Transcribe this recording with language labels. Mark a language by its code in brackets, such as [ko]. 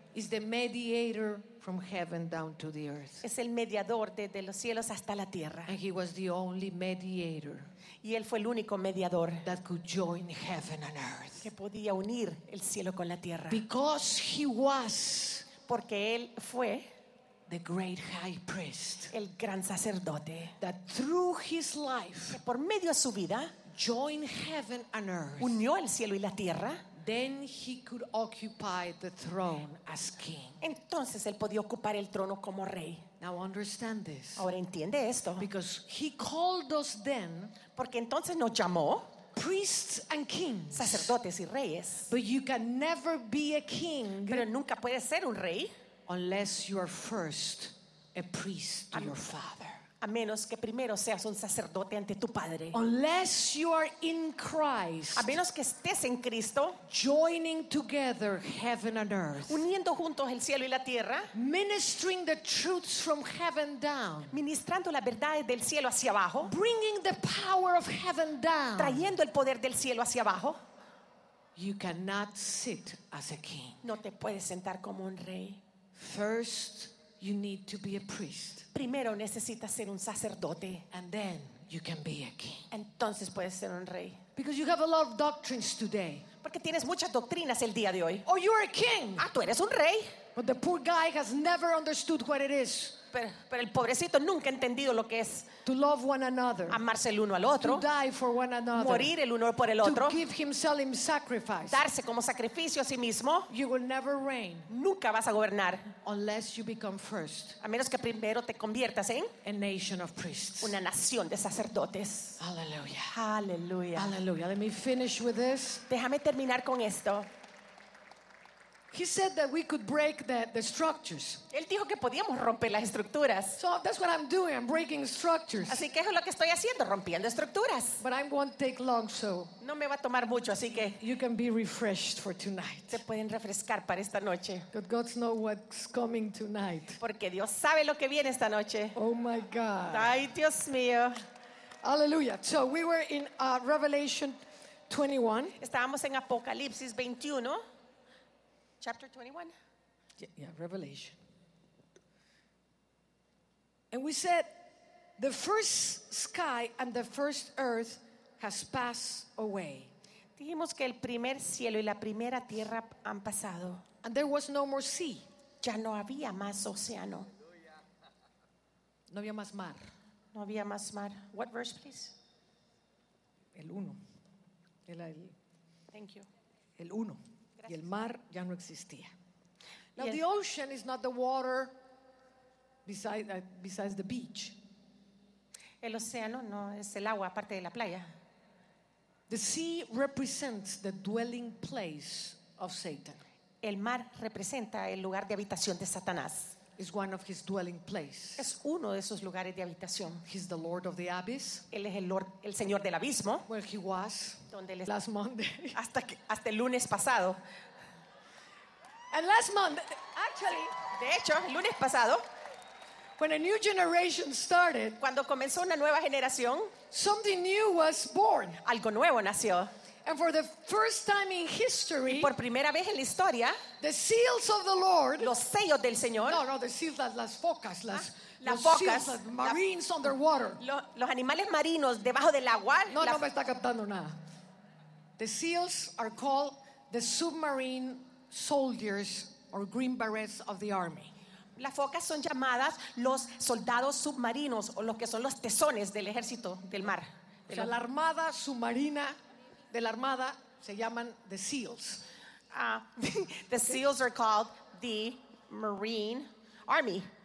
[en] Is the mediator from heaven down to the earth. [es] Es el mediador desde los cielos hasta la tierra. [en] And he was the only mediator. [es] Y él fue el único mediador [en] that could join heaven and earth. [es] Que podía unir el cielo con la tierra. [en] Because he was, [es] porque él fue, [en] the great high priest, [es] el gran sacerdote, [en] that through his life, [es] que por medio de su vida, [en] joined heaven and earth, [es] unió el cielo y la tierra, [en] then he could occupy the throne as king. [es] Entonces él podía ocupar el trono como rey. [en] Now understand this. [es] Ahora entiende esto. [en] Because he called us then, [es] porque entonces nos llamó, [en] priests and kings, [es] sacerdotes y reyes, [en] but you can never be a king, [es] pero nunca puedes ser un rey, [en] unless you are first a priest to your father. [es] A menos que primero seas un sacerdote ante tu padre. [en] Unless you are in Christ, [es] a menos que estés en Cristo, [en] joining together heaven and earth, [es] uniendo juntos el cielo y la tierra, [en] ministering the truths from heaven down, [es] ministrando las verdades del cielo hacia abajo, [en] bringing the power of heaven down, [es] trayendo el poder del cielo hacia abajo, [en] you cannot sit as a king. [es] No te puedes sentar como un rey. [en] First, you need to be a priest. [es] Primero necesitas ser un sacerdote. [en] And then you can be a king. [es] Entonces puedes ser un rey. [en] Because you have a lot of doctrines today. [es] Porque tienes muchas doctrinas el día de hoy. [en] Oh, you are a king. [es] Ah, tú eres un rey. [en] But the poor guy has never understood what it is. [es] Pero el pobrecito nunca ha entendido lo que es [en] to love one another, [es] amarse el uno al otro, [en] to die for one another, [es] morir el uno por el otro, [en] to give himself in sacrifice, [es] darse como sacrificio a sí mismo. [en] You will never reign, [es] nunca vas a gobernar, [en] unless you become first, [es] a menos que primero te conviertas en [en] a nation of priests, [es] una nación de sacerdotes. [en] Hallelujah. [es] Hallelujah. [en] Hallelujah. Let me finish with this. [es] Déjame terminar con esto. [en] He said that we could break the structures. [es] Él dijo que podíamos romper las estructuras. [en] So that's what I'm doing. I'm breaking structures. [es] Así que eso es lo que estoy haciendo, rompiendo estructuras. [en] But I won't take long, so. [es] No me va a tomar mucho, así que. [en] You can be refreshed for tonight. [es] Se pueden refrescar para esta noche. [en] But God knows what's coming tonight. [es] Porque Dios sabe lo que viene esta noche. [en] Oh my God. [es] Ay, Dios mío. [en] Hallelujah. So we were in Revelation 21. [es] Estábamos en Apocalipsis 21. [en] Chapter 21. Yeah, Revelation. And we said, the first sky and the first earth has passed away. [es] Dijimos que el primer cielo y la primera tierra han pasado. [en] And there was no more sea. [es] Ya no había más océano. No había más mar. No había más mar. [en] What verse, please? [es] El uno. [en] Thank you. [es] El uno. Y el mar ya no existía. [en] Now the ocean is not the water besides the beach. [es] El océano no es el agua aparte de la playa. [en] The sea represents the dwelling place of Satan. [es] El mar representa el lugar de habitación de Satanás. [en] Is one of his dwelling places. [es] Es uno de sus lugares de habitación. [en] He's the Lord of the Abyss. [es] Él es el señor del abismo. [en] Where he was. [es] Donde [en] last [es] estaba. [en] Monday. [es] Hasta el lunes pasado. [en] And last Monday, actually. [es] De hecho, el lunes pasado. [en] When a new generation started. [es] Cuando comenzó una nueva generación. [en] Something new was born. [es] Algo nuevo nació. [en] And for the first time in history, [es] y por primera vez en la historia, [en] the seals of the Lord, [es] los sellos del Señor, [en] no, the seals, [es] las focas, las las focas, [en] seals, las marines underwater, [es] los animales marinos debajo del agua, no me está captando nada. [en] The seals are called the submarine soldiers or green berets of the army. [es] Las focas son llamadas los soldados submarinos o los que son los tesones del ejército del mar. O sea, la armada submarina de la armada se llaman [en] the seals. The okay. Seals are called the Marine Army.